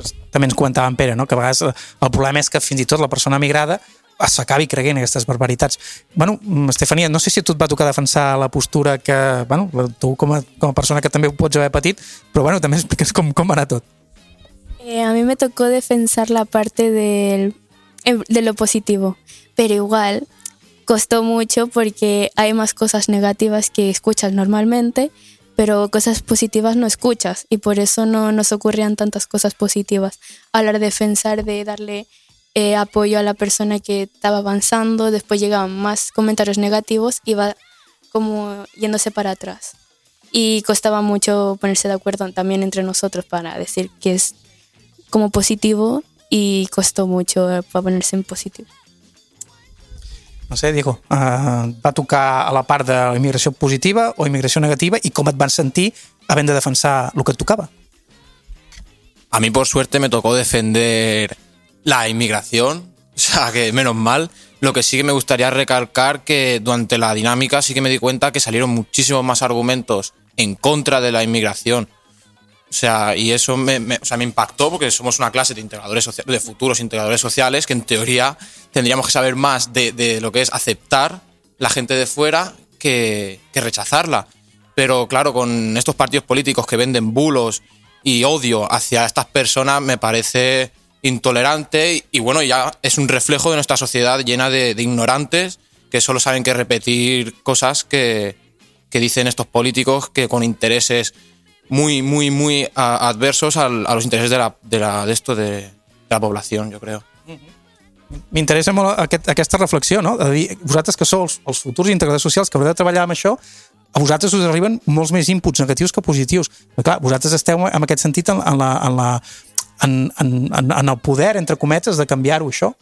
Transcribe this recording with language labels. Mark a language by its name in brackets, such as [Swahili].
[Catalan] També ens comentava en Pere, no? Que a vegades el problema és que fins i tot la persona migrada s'acabi creient aquestes barbaritats. Bueno, Estefania, no sé si a tu et va tocar defensar la postura que, bueno, tu com a persona que també ho pots haver patit, però bueno, també expliques com va anar tot. [Spanish] A mi me tocó defensar la parte de lo positivo, pero igual costó mucho porque hay más cosas negativas que escuchas normalmente, pero cosas positivas no escuchas y por eso no nos ocurrían tantas cosas positivas a la defensar de darle apoyo a la persona que estaba avanzando, después llegaban más comentarios negativos y va como yéndose para atrás. Y costaba mucho ponerse de acuerdo también entre nosotros para decir que es como positivo y costó mucho para ponerse en positivo. [Catalan] No sé, Diego, va tocar a la part de la immigració positiva o immigració negativa i com et van sentir havent de defensar el que et tocava? [Spanish] A mi, por suerte, me tocó defender la inmigración, o sea que menos mal. Lo que sí que me gustaría recalcar que durante la dinámica sí que me di cuenta que salieron muchísimos más argumentos en contra de la inmigración. O sea, y eso me impactó porque somos una clase de integradores sociales, de futuros integradores sociales, que en teoría tendríamos que saber más de lo que es aceptar la gente de fuera que rechazarla. Pero claro, con estos partidos políticos que venden bulos y odio hacia estas personas, me parece intolerante y bueno, ya es un reflejo de nuestra sociedad llena de ignorantes que solo saben que repetir cosas que dicen estos políticos que con intereses muy, muy, muy adversos a los intereses de la población, yo creo. [Catalan] M'interessa molt aquesta reflexió, no? De dir, vosaltres que sou els futurs integradors socials que haureu de treballar amb això, a vosaltres us arriben molts més inputs negatius que positius. Però clar, vosaltres esteu en aquest sentit en el poder, entre cometes, de canviar-ho, això.